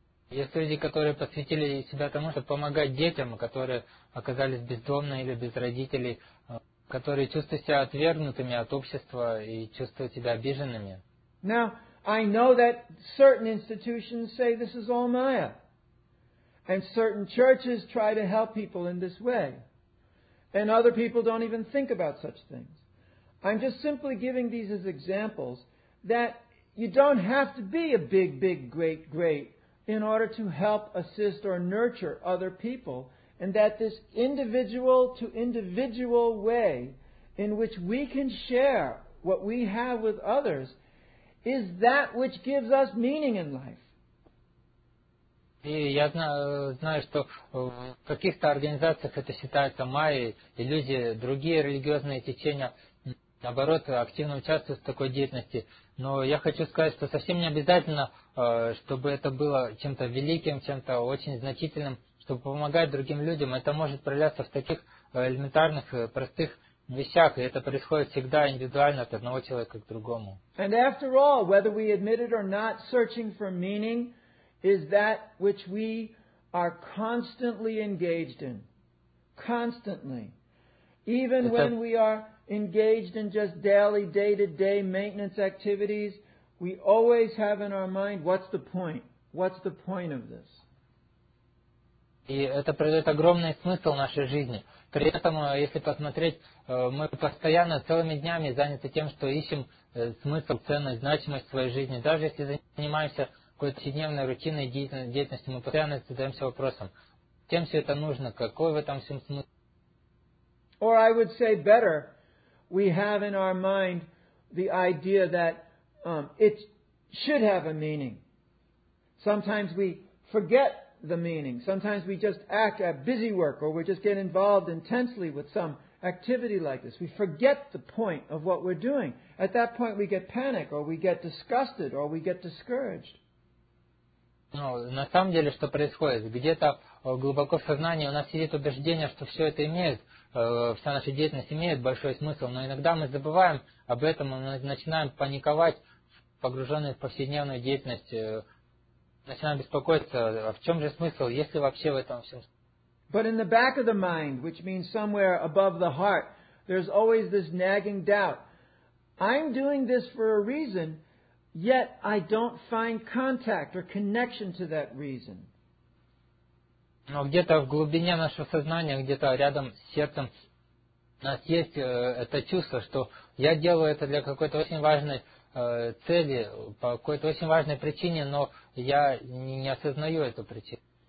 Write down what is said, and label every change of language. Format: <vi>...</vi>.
<ru>Есть люди, которые посвятили себя тому, чтобы помогать детям, которые оказались бездомными или без родителей, которые чувствуют себя отвергнутыми от общества и чувствуют себя обиженными.</ru> <en>Now, I know that certain institutions say this is all Maya. And certain churches try to help people in this way. And other people don't even think about such things. I'm just simply giving these as examples that you don't have to be a big, big, great, great in order to help, assist, or nurture other people. And that this individual-to-individual way in which we can share what we have with others is that which gives us meaning in life.</en> <ru>И я знаю, что в каких-то организациях это считается майей, и люди, другие религиозные течения, наоборот, активно участвуют в такой деятельности. Но я хочу сказать, что совсем не обязательно, чтобы это было чем-то великим, чем-то очень значительным, чтобы помогать другим людям. Это может проявляться в таких элементарных, простых вещах, и это происходит всегда индивидуально от одного человека к другому.</ru> <en>And after all, whether we admit it or not, searching for meaning is that which we are constantly engaged in. Constantly. Even when we are engaged in just daily, day-to-day maintenance activities, we always have in our mind, what's the point? What's the point of this?</en> <ru>И это придает огромный смысл нашей жизни. При этом, если посмотреть, мы постоянно целыми днями заняты тем, что ищем смысл, ценность, значимость своей жизни. Даже если занимаемся какой-то повседневной рутинной деятельностью, мы постоянно задаемся вопросом, чем все это нужно, какой в этом всем смысл.</ru> <en>Or I would say better, we have in our mind the idea that it should have a meaning. Sometimes we forget the meaning. Sometimes we just act at busy work or we just get involved intensely with some activity like this. We forget the point of what we're doing. At that point we get panic or we get disgusted or we get discouraged.</en> <ru>Ну, на самом деле, что происходит? Где-то глубоко в сознании у нас сидит убеждение, что все это имеет, вся наша деятельность имеет большой смысл, но иногда мы забываем об этом и начинаем паниковать, погруженные в повседневную деятельность, начинаем беспокоиться, а в чем же смысл, есть ли вообще в этом всем.</ru> <en>But in the back of the mind, which means somewhere above the heart, there's always this nagging doubt. I'm doing this for a reason, yet I don't find contact or connection to that reason.</en> <ru>Но где-то в глубине нашего сознания, где-то рядом с сердцем, у нас есть это чувство, что я делаю это для какой-то очень важной цели, по какой-то очень важной причине, но я не осознаю эту причину.</ru>